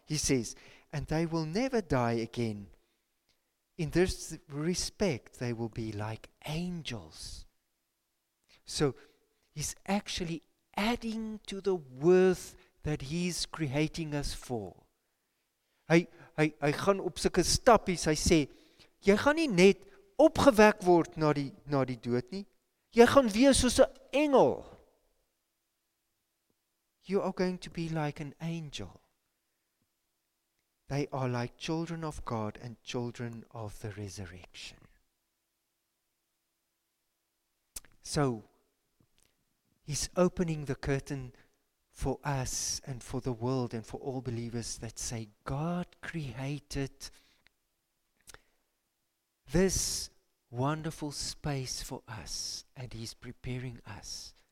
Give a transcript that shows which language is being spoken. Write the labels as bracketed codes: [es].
[en] He says, and they will never die again. In this respect, they will be like angels. So he's actually adding to the worth that he's creating us for. [af] Hy gaan op sulke stappies, hy sê, jy gaan nie net opgewek word na die dood nie, jy gaan wees soos 'n engel. [en] You are going to be like an angel. They are like children of God and children of the resurrection. So, he's opening the curtain for us and for the world and for all believers that say, God created this wonderful space for us and he's preparing us